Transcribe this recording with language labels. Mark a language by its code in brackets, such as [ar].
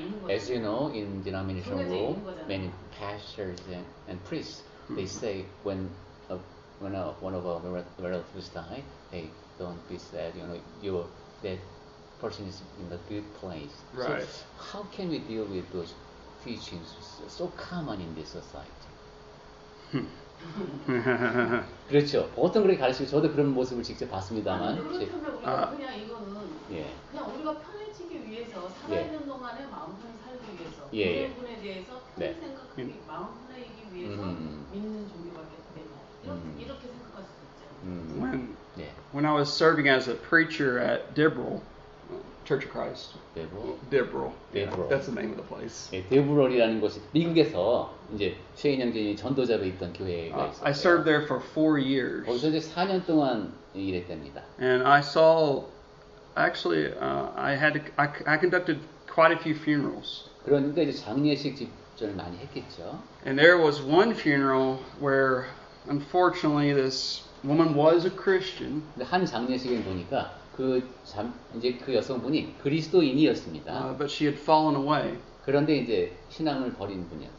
[en] As you know, in denomination world, many pastors and priests, they say when one of our relatives die, they don't be sad, you know, that person is in a good place. Right. So how can we deal with those teachings so common in this society? [ko] 그렇죠. 보통 그렇게 가르치고 저도 그런 모습을 직접 봤습니다만. 아니, 그렇다면 우리가 그냥 이거는 예. 그냥 우리가 편해지기 위해서 살아있는 예. 동안에 마음 편히 살기 위해서 예. 그런 부분에 대해서 편히 네. 생각하기 마음 편해지기 위해서 믿는 종교밖에 되냐 이렇게 생각할 수 있죠. [en] When I was serving as a preacher at Deborah. Church of Christ. Deborah. That's the name of the place. [ko] 예, 데브롤이라는 곳이 미국에서 이제 최인영 교인이 전도자로 있던 교회가 있어요. [en] I served there for 4 years. [ko] 거기서 이제 4년 동안 일했답니다. [en] And I saw, actually, I conducted quite a few funerals. [ko] 그러니까 이제 장례식 집전을 많이 했겠죠. [en] And there was one funeral where, unfortunately, this woman was a Christian. [ko] 근데 한 장례식에 보니까 그 여성분이 그리스도인이었습니다. [en] But she had fallen away. [ko] 그런데 이제 신앙을 버린 분이었어요.